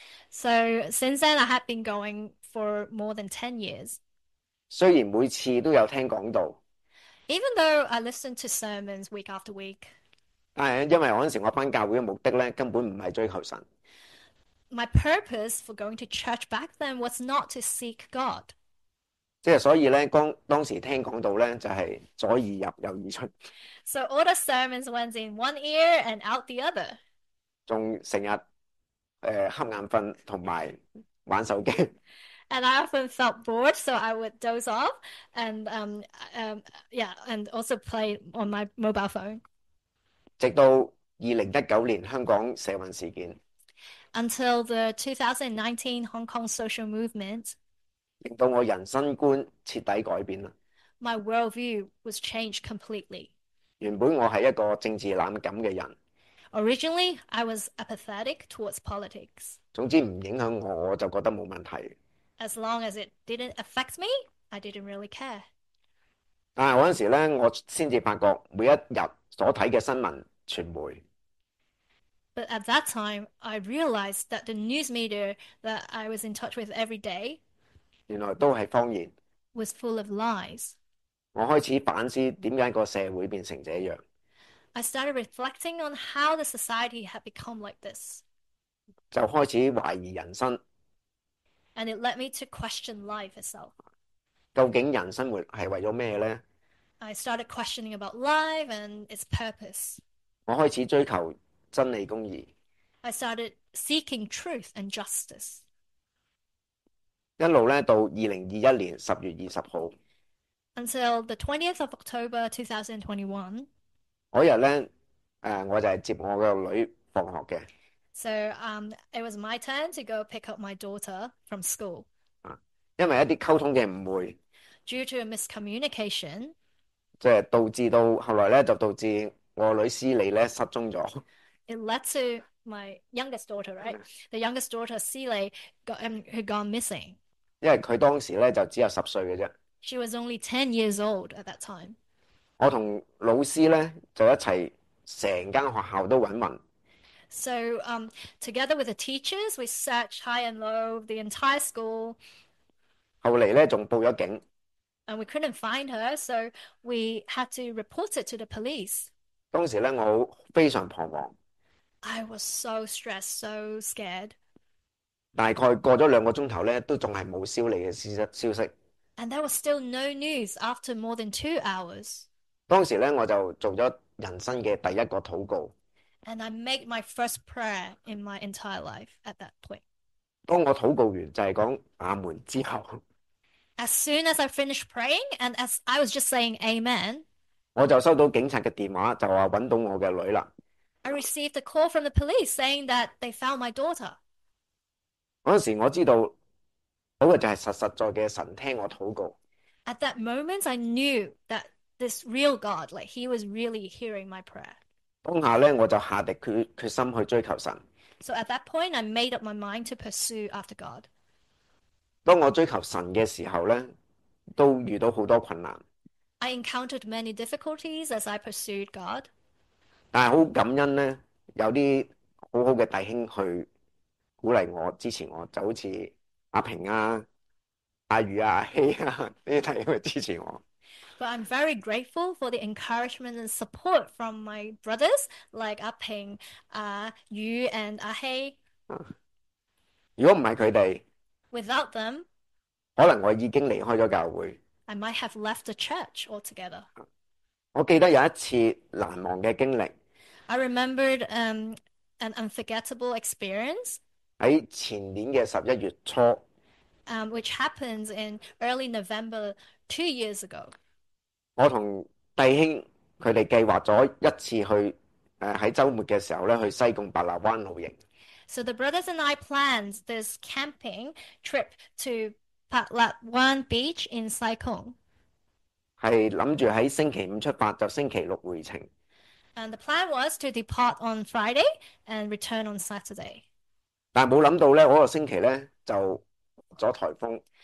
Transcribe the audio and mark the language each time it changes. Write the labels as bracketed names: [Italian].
[English] So since then I have been going for more than 10 years. [Cantonese] 虽然每次都有听讲道， [English] Even though I listened to sermons week after week, [Cantonese] 但系因为我嗰时我翻教会嘅目的咧，根本唔系追求神。 [English] my purpose for going to church back then was not to seek God. [Cantonese] 即系所以咧，当时听讲道咧，就系左耳入右耳出。 [English] So all the sermons went in one ear and out the other. [Cantonese] 仲成日瞌眼瞓，同埋玩手机。 [English] And I often felt bored, so I would doze off and and also play on my mobile phone. [Cantonese] 直到2019年香港社運事件， [English] Until the 2019 Hong Kong social movement, [Cantonese] 令到我人生觀徹底改變啦。 [English] my worldview was changed completely. [Cantonese] 原本我係一個政治冷感嘅人。 [English] Originally, I was apathetic towards politics. [Cantonese] 总之唔影响我，我就觉得冇问题。 [English] As long as it didn't affect me, I didn't really care. [Cantonese] 但系嗰阵时咧，我先至发觉每一日所睇嘅新闻传媒， [English] But at that time, I realized that the news media that I was in touch with every day [Cantonese] 原来都系谎言。 [English] was full of lies. [Cantonese] 我开始反思点解个社会变成这样。 [English] I started reflecting on how the society had become like this. [Cantonese] 就开始怀疑人生， [English] And it led me to question life itself. [Cantonese] 究竟人生活系为咗咩咧？ [English] I started questioning about life and its purpose. [Cantonese] 我开始追求真理公义， [English] I started seeking truth and justice. [Cantonese] 一路咧到2021年10月20号， [English] Until the 20th of October 2021. [Cantonese] 嗰日咧，我就系接我嘅女放学嘅。 [English] So it was my turn to go pick up my daughter from school. [Cantonese] 因为一啲沟通嘅误会， [English] Due to a miscommunication, [Cantonese] 即系导致到后来咧，就导致我女斯莉咧失踪咗。 [English] It led to my youngest daughter, right? The youngest daughter, Cilly, had gone missing. [Cantonese] 因为佢当时咧就只有10岁嘅啫， [English] She was only 10 years old at that time. [Cantonese] 我同老师咧就一齐成间学校都揾匀。 [English] So, together with the teachers, we searched high and low the entire school. [Cantonese] 后嚟咧仲报咗警， [English] And we couldn't find her, so we had to report it to the police. [Cantonese] 当时咧我非常彷徨。 [English] I was so stressed, so scared. [Cantonese] 大概过咗2个钟头咧，都仲系冇消息嘅消息。 [English] And there was still no news after more than 2 hours. [Cantonese] 当时咧，我就做咗人生嘅第一个祷告。 [English] And I made my first prayer in my entire life at that point. [Cantonese] 当我祷告完就系讲阿门之后， [English] As soon as I finished praying, and as I was just saying Amen, [Cantonese] 我就收到警察嘅电话，就话揾到我嘅女啦。 [English] I received a call from the police saying that they found my daughter. [Cantonese] 嗰时我知道，好嘅就系实实在在嘅神听我祷告。 [English] At that moment, I knew that this real God, like he was really hearing my prayer. [Cantonese] 当下咧，我就下定决心去追求神。 [English] So at that point, I made up my mind to pursue after God. [Cantonese] 当我追求神嘅时候咧，都遇到好多困难。 [English] I encountered many difficulties as I pursued God. [Cantonese] 但系好感恩咧，有啲好好嘅弟兄去鼓励我、支持我，就好似阿平啊、阿宇啊、阿希啊呢啲弟兄去支持我。 [English] But I'm very grateful for the encouragement and support from my brothers, like Ah Ping, Ah Yu, and Ah Hei. [Cantonese] 如果唔系佢哋， [English] Without them, [Cantonese] 可能我已经离开咗教会。 [English] I might have left the church altogether. [Cantonese] 我记得有一次难忘嘅经历， [English] I remembered an unforgettable experience, [Cantonese] 喺前年嘅11月初， [English] which happens in early November 2 years ago. [Cantonese] 我同弟兄佢哋计划咗一次去，喺周末嘅时候咧去西贡白蜡湾露营。 [English] So the brothers and I planned this camping trip to Patlat Wan Beach in Sai Kung. [Cantonese] 系谂住喺星期五出发，就星期六回程。 [English] And the plan was to depart on Friday and return on Saturday. [Cantonese] 但冇谂到咧，嗰个星期咧就咗台风。